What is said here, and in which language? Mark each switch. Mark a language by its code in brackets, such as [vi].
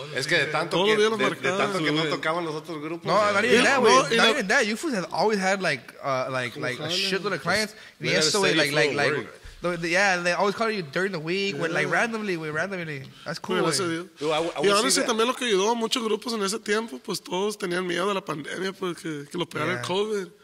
[es] Es que de tanto que no tocaban los otros grupos. [en] No, not even that. You fools have always had like a shitload of clients. [es] Y eso, [en] they always call you during the week, yeah. randomly. That's cool. [es] Gracias a Dios. Y honestly, también lo que ayudó a muchos grupos en ese tiempo, pues todos tenían miedo a la pandemia, porque que lo pegara el COVID.